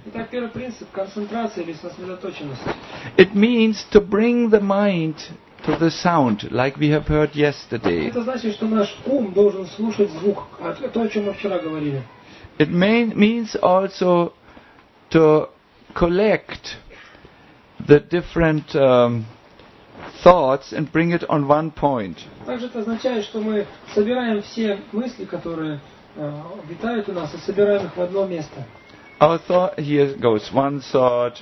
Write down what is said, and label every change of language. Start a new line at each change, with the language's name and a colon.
Russian: Итак, первый принцип – концентрация или сосредоточенность.
English: It means to bring the mind to the sound, like we have heard yesterday.
Russian: Это значит, что наш ум должен слушать звук, то, о чем мы вчера говорили.
English: It means also to collect the different thoughts and bring it on one point.
Russian: Также это означает, что мы собираем все мысли, которые витают у нас, и собираем их в одно место.
English: Our thought, here goes one thought.